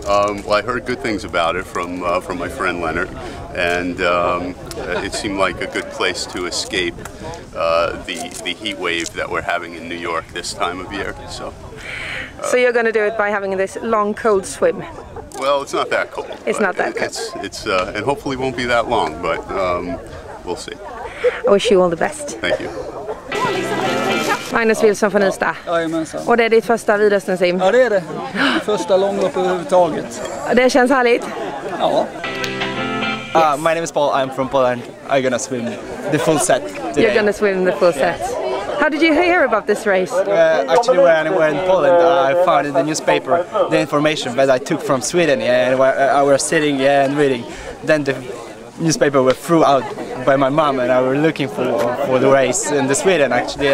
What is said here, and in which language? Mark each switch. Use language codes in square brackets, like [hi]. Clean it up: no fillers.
[en] Well, I heard good things about it from my friend Leonard, and it seemed like a good place to escape the heat wave that we're having in New York this time of year. So. So you're going to do it by having this long cold swim. Well, it's not that cold. And hopefully won't be that long, but we'll see. I wish you all the best. Thank you. [sv] Magnus Wilson från Ystad. Jajamensan. Och det är ditt första Widerstrandsim. Ja, det är det. Första långlopp överhuvudtaget. Det känns härligt. Ja. [en] Yes. My name is Paul. I'm from Poland. I'm gonna swim the full set today. You're gonna swim the full set. How did you hear about this race? Actually, when I were in Poland, I found in the newspaper the information that I took from Sweden. Yeah, and I was sitting and reading. Then the newspaper were threw out by my mom, and I were looking for the race in the Sweden actually.